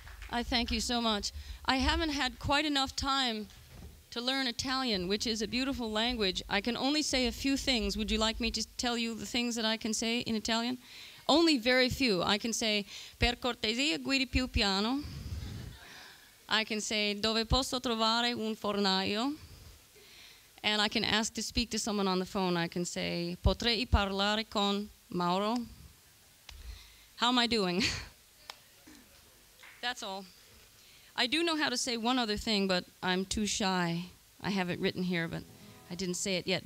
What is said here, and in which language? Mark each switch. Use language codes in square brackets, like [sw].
[en] I thank you so much. I haven't had quite enough time to learn Italian, which is a beautiful language. I can only say a few things. Would you like me to tell you the things that I can say in Italian? Only very few. I can say, [it] per cortesia guidi più piano. [en] I can say, [it] dove posso trovare un fornaio? [en] And I can ask to speak to someone on the phone. I can say, [it] potrei parlare con Mauro? [en] How am I doing? That's all. I do know how to say one other thing, but I'm too shy. I have it written here, but I didn't say it yet.